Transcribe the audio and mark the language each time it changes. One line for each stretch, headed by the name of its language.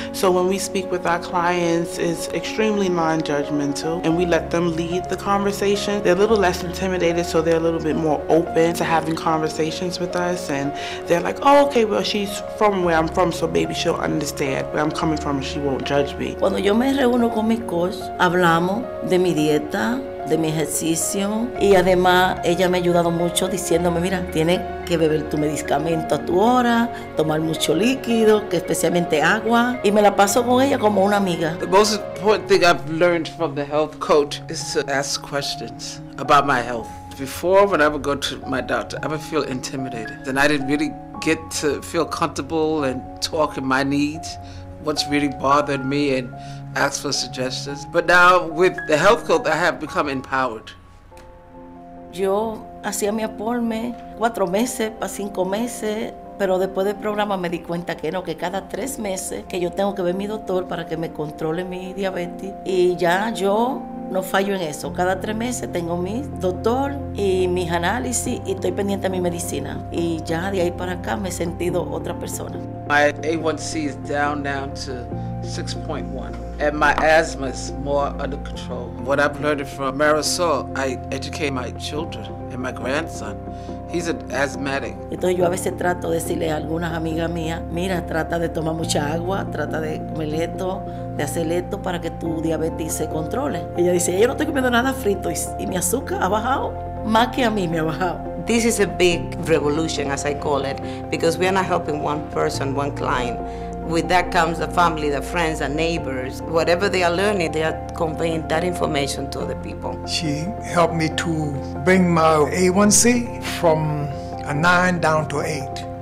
English: So when we speak with our clients, it's extremely non-judgmental, and we let them lead the conversation. They're a little less intimidated, so they're a little bit more open to having conversations with us, and they're like, oh, okay, well, she's from where I'm from, so maybe she'll understand where I'm coming from, and she won't judge me.
Spanish: Cuando yo me reúno con mis coach, hablamos de mi dieta, de mi ejercicio, y además ella me ha ayudado mucho diciéndome, mira, tienes que beber tu medicamento a tu hora, tomar mucho líquido, que especialmente agua, y me la paso con ella como una amiga.
English: The most important thing I've learned from the health coach is to ask questions about my health. Before, when I would go to my doctor, I would feel intimidated. Then I didn't really get to feel comfortable and talk in my needs, what's really bothered me, and ask for suggestions. But now with the health code, I have become empowered.
Spanish: Yo hacía mi informe 4 meses para 5 meses, pero después del programa me di cuenta que no, que cada 3 meses que yo tengo que ver mi doctor para que me controle mi diabetes. Y ya yo no fallo en eso. Cada 3 meses tengo mi doctor y mis análisis y estoy pendiente a mi medicina. Y ya de ahí para acá me he sentido otra persona.
English: My A1C is down to 6.1. And my asthma is more under control. What I've learned from Marisol, I educate my children and my grandson. He's an asthmatic.
Spanish: Entonces yo a veces trato de decirle a algunas amigas mías, mira, trata de tomar mucha agua, trata de comer esto, de hacer esto para que tu diabetes se controle. Ella dice, yo no estoy comiendo nada frito y mi azúcar ha bajado más que a mí me ha bajado.
English: This is a big revolution, as I call it, because we are not helping one person, one client. With that comes the family, the friends, the neighbors. Whatever they are learning, they are conveying that information to other people. She helped me to bring my A1C from a 9 down to 8.